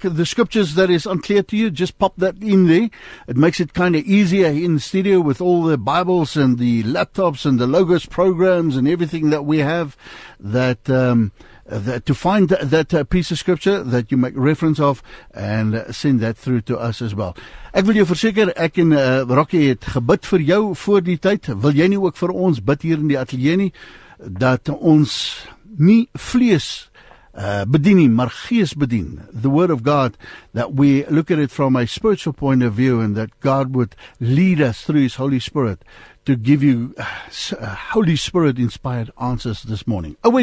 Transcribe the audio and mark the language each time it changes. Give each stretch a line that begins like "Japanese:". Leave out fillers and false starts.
English: The scriptures that is unclear to you, just pop that in there. It makes it kind of easier in the studio with all the Bibles and the laptops and the Logos programs and everything that we have that... to find that piece of scripture that you make reference of and send that through to us as well.
Afrikaans: Ek wil jou verseker, ek en Rocky het gebid vir jou voor die tyd. Wil jy nie ook vir ons bid hier in die atelier nie, dat ons nie vlees bedien nie, maar gees bedien.
English: The word of God, that we look at it from a spiritual point of view and that God would lead us through his Holy Spirit to give you Holy Spirit-inspired answers this morning.